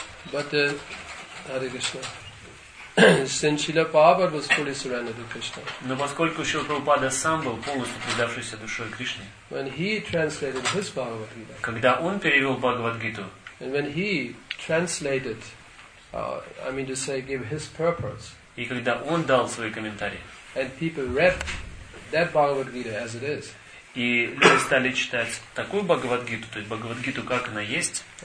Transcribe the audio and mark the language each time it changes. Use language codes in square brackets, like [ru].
[en] But Hare Krishna. Since Srila Prabhupada was fully surrendered to Krishna. [ru] Но поскольку Шрила Прабхупада сам был полностью предавшийся душой Кришне. [en] When he translated his Bhagavad Gita. [ru] Когда он перевел Бхагавад Гиту. [en] And when he translated, gave his purpose. [ru] И когда он дал свои комментарии. [en] And people read that Bhagavad Gita as it is. [ru] И люди стали читать такую Бхагавад-гиту, то есть Бхагавад-гиту, как она есть.